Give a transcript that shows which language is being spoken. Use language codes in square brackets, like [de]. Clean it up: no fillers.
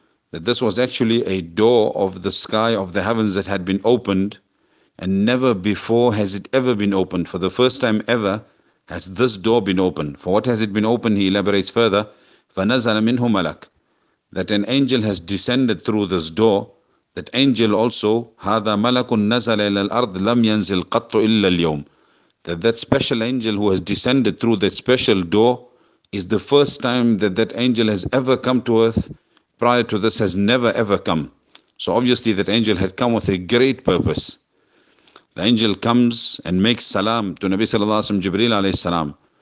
[en] That this was actually a door of the sky, of the heavens, that had been opened, and never before has it ever been opened. For the first time ever has this door been opened. For what has it been opened? He elaborates further. [ar] فَنَزَلَ مِنْهُ مَلَكٌ. [en] That an angel has descended through this door. That angel also, [ar] هَذَا مَلَكٌ نَزَلَ إِلَى الْأَرْضِ لَمْ يَنْزِلْ قَطُّ إِلَّا الْيَوْمِ. [en] That special angel who has descended through that special door is the first time that that angel has ever come to earth. Prior to this has never ever come. So obviously that angel had come with a great purpose. The angel comes and makes salam to Nabi sallallahu alayhi wa sallam, Jibreel alayhi salam.